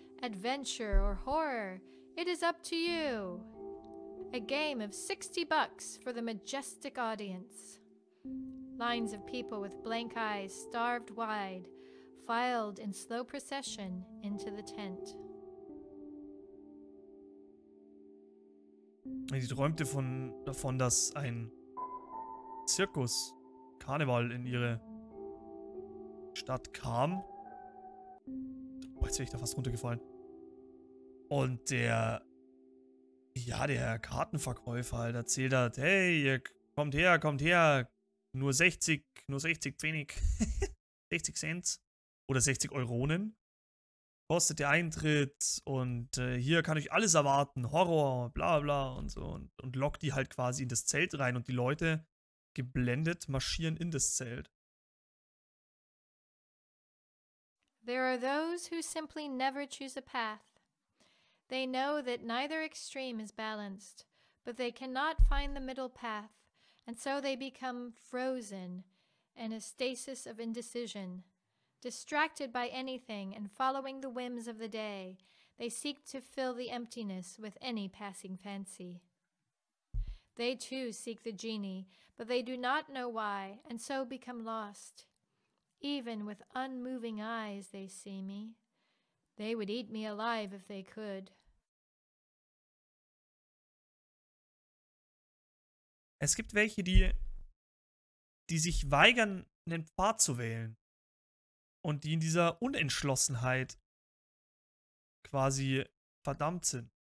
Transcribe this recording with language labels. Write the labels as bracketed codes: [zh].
[en] Adventure or horror, it is up to you." A game of 60 bucks for the majestic audience. Lines of people with blank eyes, starved wide, filed in slow procession into the tent. [de] Sie träumte davon, dass ein Zirkus, Karneval in ihre Stadt kam. Oh, jetzt wäre ich da fast runtergefallen. Und der... Ja, der Kartenverkäufer halt erzählt hat, hey, ihr kommt her, nur 60 Pfennig, 60 Cent oder 60 Euronen, kostet der Eintritt und hier kann euch alles erwarten, Horror, bla bla und so und lockt die halt quasi in das Zelt rein und die Leute, geblendet, marschieren in das Zelt. [en] There are those who simply never choose a path. They know that neither extreme is balanced, but they cannot find the middle path, and so they become frozen in a stasis of indecision. Distracted by anything and following the whims of the day, they seek to fill the emptiness with any passing fancy. They too seek the genie, but they do not know why, and so become lost. Even with unmoving eyes they see me. They would eat me alive if they could. [de] Es gibt welche, die sich weigern, einen Pfad zu wählen und die in dieser Unentschlossenheit quasi verdammt sind.